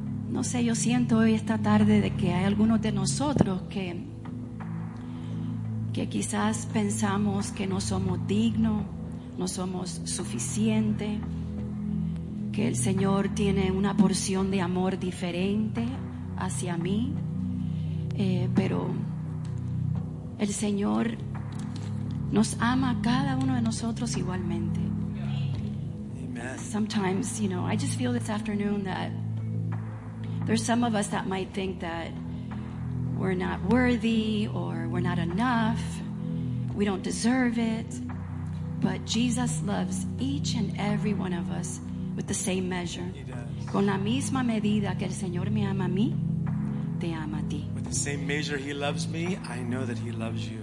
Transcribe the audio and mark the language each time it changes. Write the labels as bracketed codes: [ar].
[es] No sé, yo siento hoy esta tarde de que hay algunos de nosotros que quizás pensamos que no somos dignos, no somos suficientes, que el Señor tiene una porción de amor diferente hacia mí, pero el Señor nos ama a cada uno de nosotros igualmente. [en] Sometimes, you know, I just feel this afternoon that there's some of us that might think that we're not worthy or we're not enough, we don't deserve it, but Jesus loves each and every one of us with the same measure. [es] Con la misma medida que el Señor me ama a mí, te ama a ti. [en] With the same measure he loves me, I know that he loves you.